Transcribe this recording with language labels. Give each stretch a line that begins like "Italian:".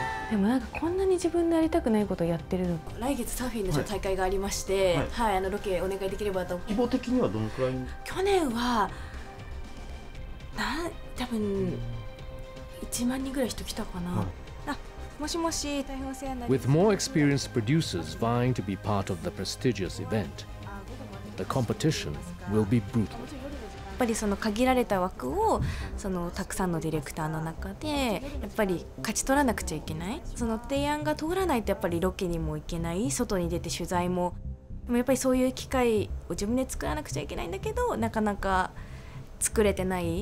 Japanese: でもなんかこんなに自分でやりたくないことをやってるのか。来月サーフィンの大会がありまして、はいはい、あのロケお願いできればと。規模的にはどのくらい。去年は多分1万人ぐらい人来たかな、はい、あ、もしもし、大変お世話になります。
English: With more experienced producers vying to be part of the prestigious event, the competition will be brutal.
Japanese: やっぱりその限られた枠をそのたくさんのディレクターの中でやっぱり勝ち取らなくちゃいけない。その提案が通らないとやっぱりロケにも行けない、外に出て取材も。でもやっぱりそういう機会を自分で作らなくちゃいけないんだけど、なかなか作れてない。